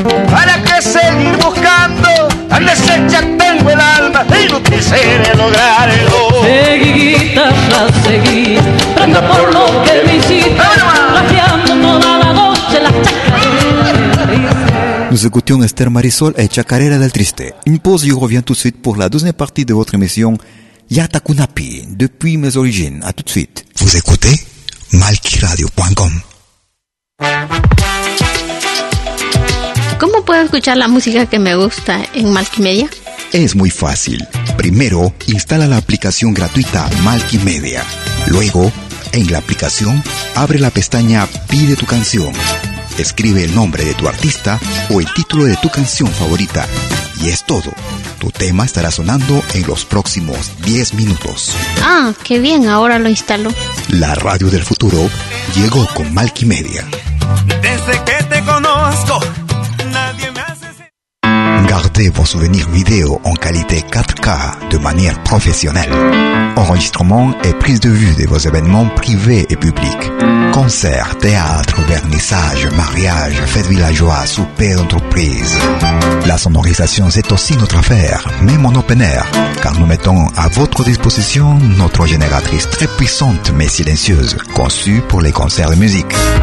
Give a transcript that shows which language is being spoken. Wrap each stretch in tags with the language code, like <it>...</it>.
<es>¿Para qué seguir buscando? Tan deshecha tengo el alma. Y no quisiera lograrlo. Seguí, guitarra, seguí. Prendo por lo que me hiciste. Rajeando toda la noche la chacarera.</es> <fr>Nous écoutions Esther Marisol et Chacarera del Triste. Une pause, je reviens tout de suite pour la deuxième partie de votre émission. Yata Kunapi, depuis mes origines, à tout de suite. Vous écoutez malquiradio.com.</fr> <es>¿Cómo puedo escuchar la música que me gusta en Malquimedia? Es muy fácil. Primero, instala la aplicación gratuita Malky Media. Luego, en la aplicación, abre la pestaña Pide tu canción. Escribe el nombre de tu artista o el título de tu canción favorita. Y es todo. Tu tema estará sonando en los próximos 10 minutos. Ah, qué bien, ahora lo instalo. La radio del futuro llegó con Malky Media. Desde que te conozco, nadie me hace sentir.</es> <fr>Gardez vos souvenirs vidéo en qualité 4K de manière professionnelle. Enregistrement et prise de vue de vos événements privés et publics. Concerts, théâtres, vernissages, mariages, fêtes villageoises, soupers d'entreprise. La sonorisation, c'est aussi notre affaire, même en open air, car nous mettons à votre disposition notre génératrice très puissante mais silencieuse, conçue pour les concerts de musique.</fr>